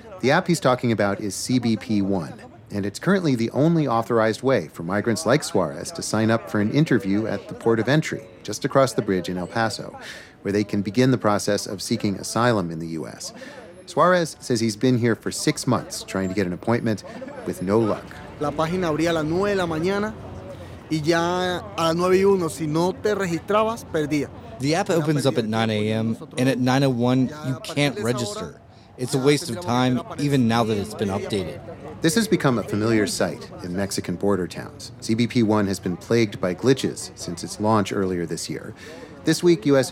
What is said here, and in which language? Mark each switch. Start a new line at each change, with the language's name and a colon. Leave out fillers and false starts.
English: The app he's talking about is CBP-1, and it's currently the only authorized way for migrants like Suarez to sign up for an interview at the port of entry, just across the bridge in El Paso, where they can begin the process of seeking asylum in the U.S. Suarez says he's been here for 6 months trying to get an appointment with no luck.
Spanish: La página abría a las 9 de la mañana y ya a las 9 y 1, si no te registrabas, perdía.
English: The app opens up at 9 a.m., and at 9:01, you can't register. It's a waste of time, even now that it's been updated. This has become a familiar sight in Mexican border towns. CBP-1 has been plagued by glitches since its launch earlier this year. This week, U.S.